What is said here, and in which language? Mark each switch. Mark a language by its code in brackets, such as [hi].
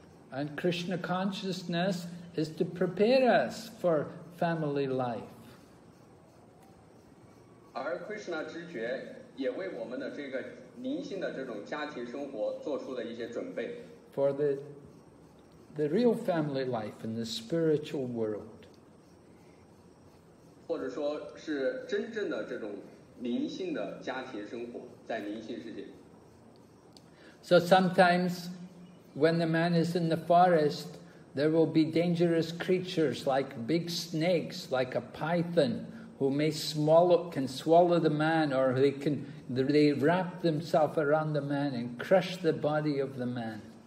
[en] And Krishna consciousness is to prepare us for family life. For the real family life in the spiritual world. [zh] 或者说是真正的这种灵性的家庭生活在灵性世界。 [en] So sometimes when the man is in the forest, there will be dangerous creatures like big snakes, like a python, who may can swallow the man, or they wrap themselves around the man and crush the body of the man.